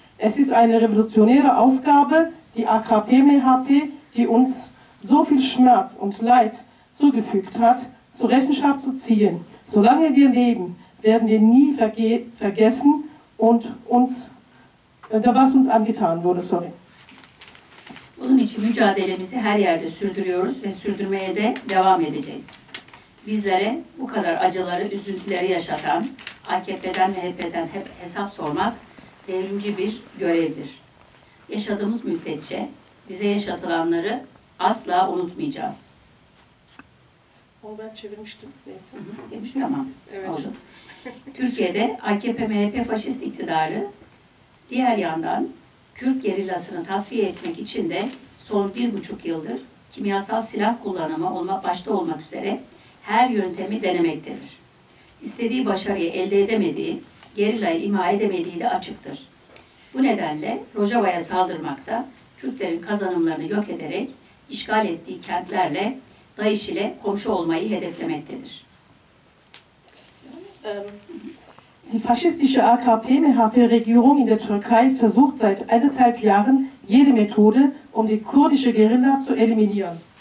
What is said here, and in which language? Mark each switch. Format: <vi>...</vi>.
<de>Es ist eine revolutionäre Aufgabe, die AKP-MHP, die uns so viel Schmerz und Leid zugefügt hat, zur Rechenschaft zu ziehen. Solange wir leben, werden wir nie vergessen und uns, was uns angetan wurde.</de> <en>Sorry.</en> <tr>Bunun için mücadelemizi her yerde sürdürüyoruz ve sürdürmeye de devam edeceğiz. Bizlere bu kadar acıları, üzüntüleri yaşatan AKP'den ve HDP'den hep hesap sormak devrimci bir görevdir. Yaşadığımız müddetçe bize yaşatılanları asla unutmayacağız. Onu ben çevirmiştim. Neyse. Demiş, tamam. Evet. Oldu. Türkiye'de AKP-MHP faşist iktidarı diğer yandan Kürt gerillasını tasfiye etmek için de son 1,5 yıldır kimyasal silah kullanımı başta olmak üzere her yöntemi denemektedir. İstediği başarıyı elde edemediği, gerillayı imha edemediği de açıktır. Bu nedenle Rojava'ya saldırmakta Kürtlerin kazanımlarını yok ederek işgal ettiği kentlerle DAEŞ ile komşu olmayı hedeflemektedir.</tr> <de>Die faschistische AKP-MHP-Regierung in der Türkei versucht seit 1,5 Jahren jede Methode, um die kurdische Guerilla zu eliminieren.</de>